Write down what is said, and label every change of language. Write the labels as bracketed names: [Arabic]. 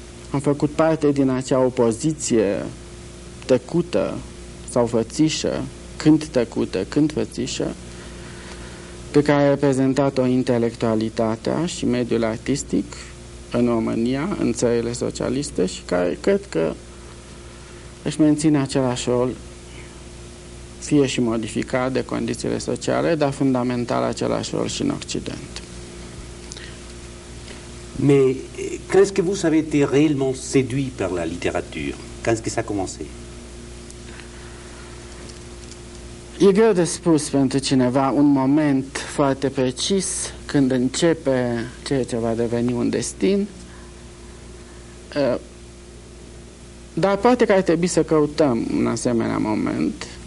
[Romanian] Am făcut parte din acea opoziție tăcută sau fățișă, când tăcută, când fățișă, pe care a reprezentat-o intelectualitatea și mediul artistic în România, în țările socialiste, și care cred că își menține același rol, fie și modificat de condițiile sociale, dar fundamental același rol și în Occident. [French] Mais quand est-ce que vous avez été réellement séduit par la littérature? Quand est-ce que ça a commencé? [Romanian] E greu de spus pentru cineva un moment foarte precis când începe ceea ce va deveni un destin. Dar poate că ar trebui să căutăm un asemenea moment.